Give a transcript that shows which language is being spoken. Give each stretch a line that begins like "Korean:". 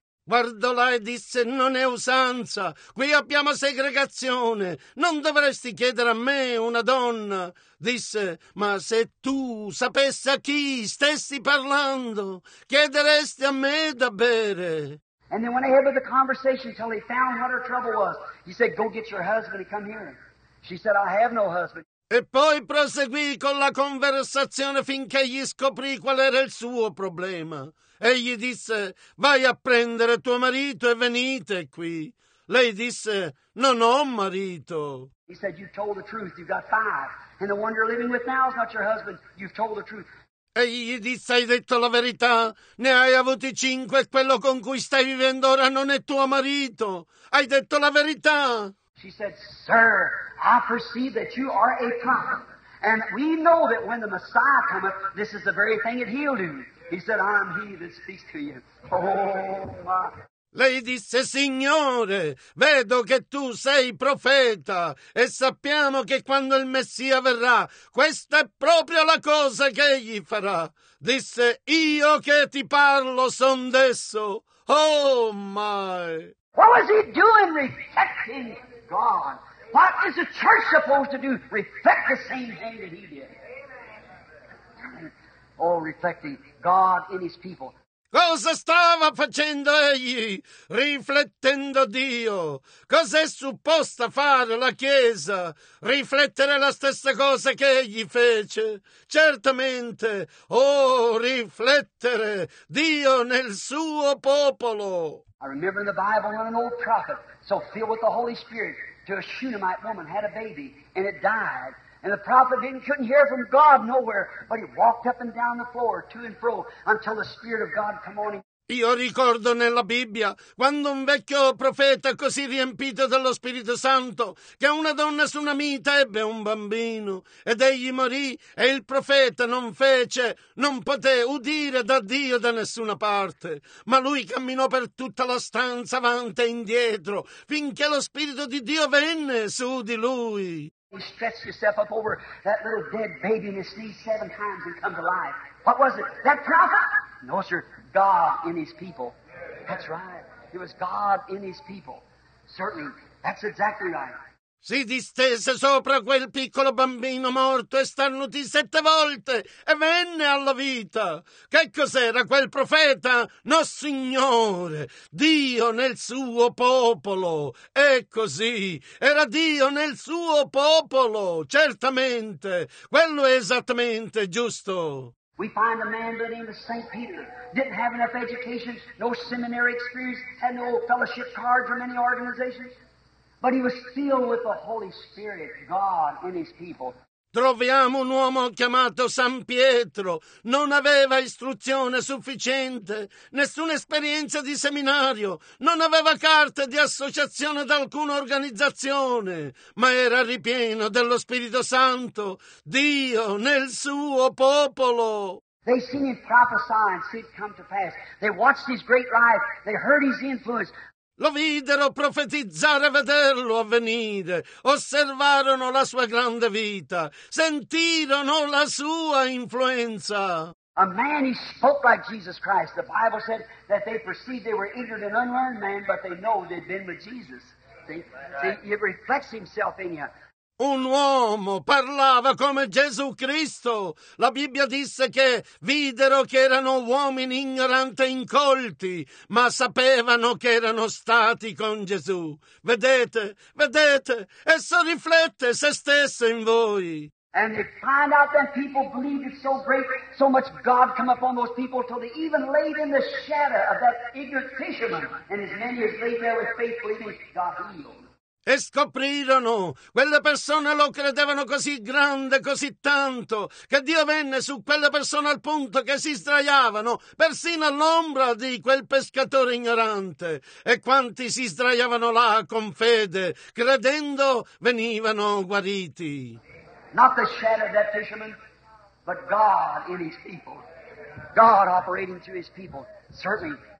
Italian: Guardò là e disse, non è usanza, qui abbiamo segregazione, non dovresti chiedere a me, una donna. Disse, ma se tu sapessi a chi stessi parlando, chiederesti a me da bere.
English: And then went ahead with the conversation until he found what her trouble was. He said, go get your husband and come here. She said, I have no husband.
Italian: E poi proseguì con la conversazione finché gli scoprì qual era il suo problema. Egli disse, vai a prendere tuo marito e venite qui. Lei disse, non ho marito.
English: He said, you've told the truth, you've got five. And the one you're living with now is not your husband, you've told the truth.
Italian: Egli gli disse, hai detto la verità, ne hai avuti cinque e quello con cui stai vivendo ora non è tuo marito. Hai detto la verità.
English: She said, sir, I perceive that you are a prophet. And we know that when the Messiah cometh, this is the very thing that he'll do. He said, I'm he that speaks to you. Oh, my.
Italian: Lei disse, Signore, vedo che tu sei profeta e sappiamo che quando il Messia verrà, questa è proprio la cosa che egli farà. Disse, io che ti parlo son d'esso.
English: Oh, my. What was he doing rejecting God? What is the church supposed to do? Reflect the same thing that he did. Oh, reflecting God in his people.
Italian: Cosa stava facendo egli? Riflettendo Dio. Cos'è supposta fare la Chiesa? Riflettere la stessa cosa che egli fece. Certamente. Oh, riflettere Dio nel suo popolo.
English: I remember in the Bible when an old prophet, so filled with the Holy Spirit, to a Shunammite woman had a baby and it died. And the prophet couldn't hear from God nowhere, but he walked up and down the floor, to and fro, until the Spirit of God come on him.
Italian: Io ricordo nella Bibbia, quando un vecchio profeta così riempito dello Spirito Santo, che una donna sunamita ebbe un bambino, ed egli morì, e il profeta non poté udire da Dio da nessuna parte. Ma lui camminò per tutta la stanza, avanti e indietro, finché lo Spirito di Dio venne su di lui.
English: He stretched himself up over that little dead baby and he sneezed seven times and come to life. What was it? That prophet? No, sir. God in his people. That's right. It was God in his people. Certainly. That's exactly right.
Italian: Si distese sopra quel piccolo bambino morto e starnutì sette volte e venne alla vita. Che cos'era quel profeta? No, Signore, Dio nel suo popolo. È così, era Dio nel suo popolo, certamente. Quello è esattamente giusto.
English: We find a man by the name of St. Peter, didn't have enough education, no seminary experience, had no fellowship card from any organizations. But he was filled with the Holy Spirit, God in his people.
Italian: Troviamo un uomo chiamato San Pietro. Non aveva istruzione sufficiente, nessuna esperienza di seminario, non aveva carte di associazione da alcuna organizzazione, ma era ripieno dello Spirito Santo, Dio nel suo popolo.
English: They seen him prophesy and see it come to pass. They watched his great life. They heard his influence.
Italian: Lo videro profetizzare, vederlo avvenire. Osservarono la sua grande vita. Sentirono la sua influenza.
English: A man he spoke like Jesus Christ. The Bible said that they perceived they were ignorant and unlearned men, but they know they'd been with Jesus. See, it reflects himself in you.
Italian: Un uomo parlava come Gesù Cristo. La Bibbia disse che videro che erano uomini ignoranti e incolti, ma sapevano che erano stati con Gesù. Vedete, vedete, esso riflette se stesso in voi.
English: And they find out that people believed it so great, so much God come upon those people till they even laid in the shadow of that ignorant fisherman. And as many as laid there with faith believing, God healed.
Italian: E scoprirono, quelle persone lo credevano così grande, così tanto, che Dio venne su quelle persone al punto che si sdraiavano persino all'ombra di quel pescatore ignorante. E quanti si sdraiavano là con fede, credendo, venivano guariti.
English: Not the shadow of that fisherman, but God in his people. God operating through his people, certainly.